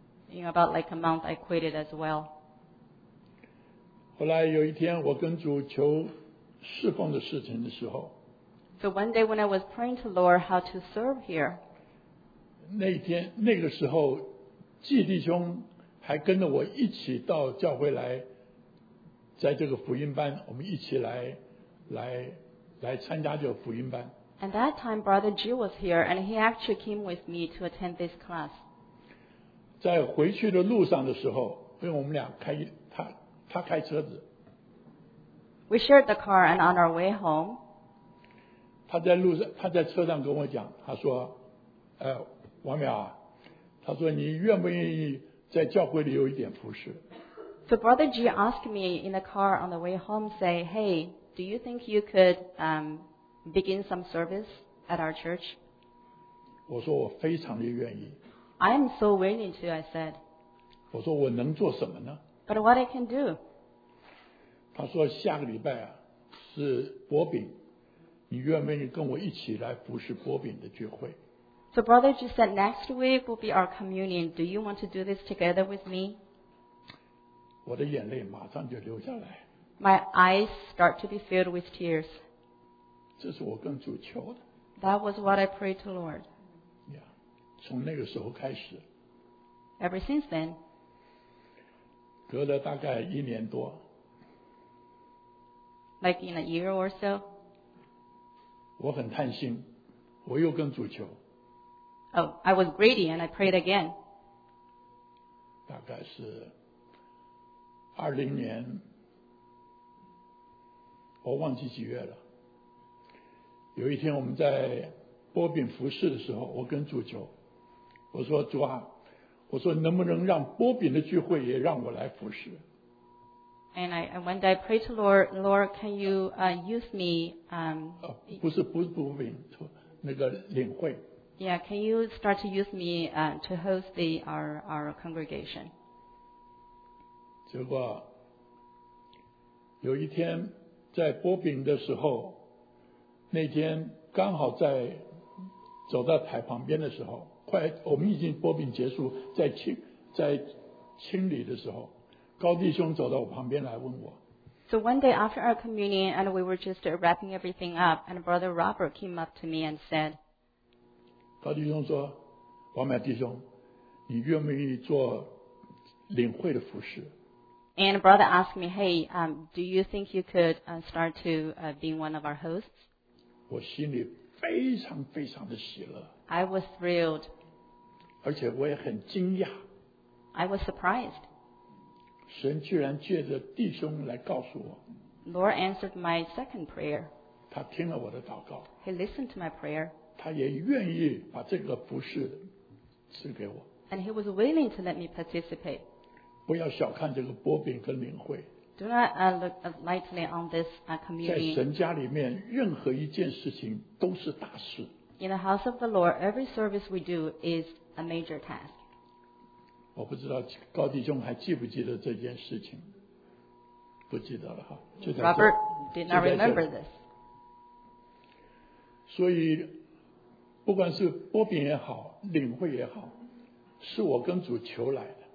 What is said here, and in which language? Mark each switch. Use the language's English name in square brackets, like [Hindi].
[English] In about like a month, I quit it as well. [Chinese] 后来有一天，我跟主求侍奉的事情的时候。 [English] So one day when I was praying to Lord how to serve here. [Chinese] 那一天那个时候。季弟兄还跟着我一起到教会来，在这个福音班，我们一起来参加这个福音班。 [English] And that time, Brother Jill was here, and he actually came with me to attend this class. [Chinese] 在回去的路上的时候，因为我们俩开他开车子。 [English] We shared the car, and on our way home, [Chinese] 他在车上跟我讲，他说：“王淼啊。” 他说你愿不愿意在教会里有一点服事。 [English] So Brother G asked me in the car on the way home, say, hey, do you think you could begin some service at our church? [Chinese] 我说我非常的愿意。 [English] I am so willing to, I said. [Chinese] 我说我能做什么呢? [English] But what I can do? [Chinese] 他说下个礼拜啊,是薄饼,你愿不愿意跟我一起来服侍薄饼的聚会? [English] So brother just said, next week will be our communion. Do you want to do this together with me? [Chinese] 我的眼泪马上就流下来。 [English] My eyes start to be filled with tears. [Chinese] 这是我跟主求的。 [English] That was what I prayed to the Lord. [Chinese] Yeah, 从那个时候开始。 [English] Ever since then. [Chinese] 隔了大概一年多。 [English] Like in a year or so. [Chinese] 我很贪心，我又跟主求。 [English] Oh, I was greedy and I prayed again. [Chinese] 大概是20年，我忘记几月了。有一天我们在薄饼服侍的时候，我跟主求，我说主啊，我说能不能让薄饼的聚会也让我来服侍。 [English] And I when I pray to Lord, can you use me? [Chinese] 不是薄饼，那个领会。 [English] Yeah, can you start to use me to host our congregation? [Chinese] 结果有一天在薄饼的时候。那天刚好在走到台旁边的时候，快我们已经薄饼结束，在清理的时候，高弟兄走到我旁边来问我。 [English] So one day after our communion and we were just wrapping everything up, and Brother Robert came up to me and said, [Chinese] 高弟兄说，王麦弟兄，你愿不愿意做领会的服事？ [English] And Brother asked me, Hey, do you think you could start to be one of our hosts? [Chinese] 我心里非常非常的喜乐。 [English] I was thrilled. [Chinese] 而且我也很惊讶。 [English] I was surprised. [Chinese] 神居然借着弟兄来告诉我。 [English] Lord answered my second prayer. [Chinese] 他听了我的祷告。 [English] He listened to my prayer. [Chinese] 他也愿意把这个服事赐给我。 [English] And he was willing to let me participate. [Chinese] 不要小看这个薄饼跟领会。 [English] Do not look lightly on this community. [Chinese] 在神家里面，任何一件事情都是大事。 [English] In the house of the Lord, every service we do is a major task. [Chinese] 我不知道高弟兄还记不记得这件事情，不记得了哈。 [English] Robert did not remember this. [Chinese] 所以，不管是薄饼也好，领会也好，是我跟主求来。